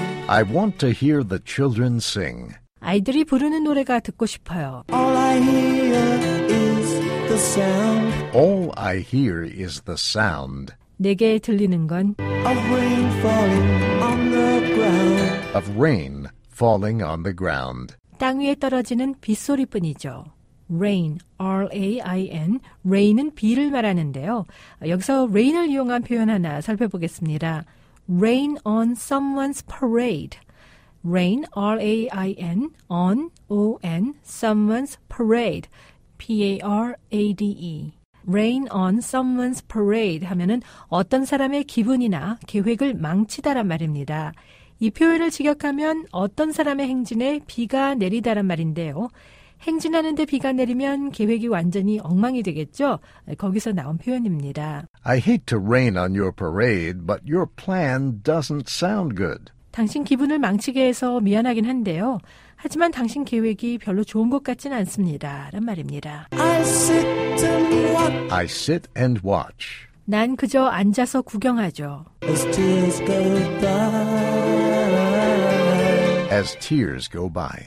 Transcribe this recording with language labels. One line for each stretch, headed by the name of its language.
English: I want to hear the children sing.
Korean: 아이들이 부르는 노래가 듣고 싶어요.
English: All I hear is the sound. All I hear is the sound.
Korean: 내게 들리는 건
English: of rain falling on the ground. Of rain falling on the ground.
Korean: 땅 위에 떨어지는 빗소리뿐이죠.
English: Rain, R-A-I-N, rain
Korean: 은 비를 말하는데요. 여기서 rain을 이용한 표현 하나 살펴보겠습니다.
English: Rain on someone's parade. Rain, R-A-I-N, on, O-N, someone's parade, P-A-R-A-D-E. Rain on someone's parade
Korean: 하면은 어떤 사람의 기분이나 계획을 망치다란 말입니다. 이 표현을 직역하면 어떤 사람의 행진에 비가 내리다란 말인데요. 행진하는데 비가 내리면 계획이 완전히 엉망이 되겠죠? 거기서 나온 표현입니다.
English: I hate to rain on your parade, but your plan doesn't sound good.
Korean: 당신 기분을 망치게 해서 미안하긴 한데요. 하지만 당신 계획이 별로 좋은 것 같진 않습니다. 라는 말입니다.
English: I sit and watch.
Korean: 난 그저 앉아서 구경하죠.
English: As tears go by.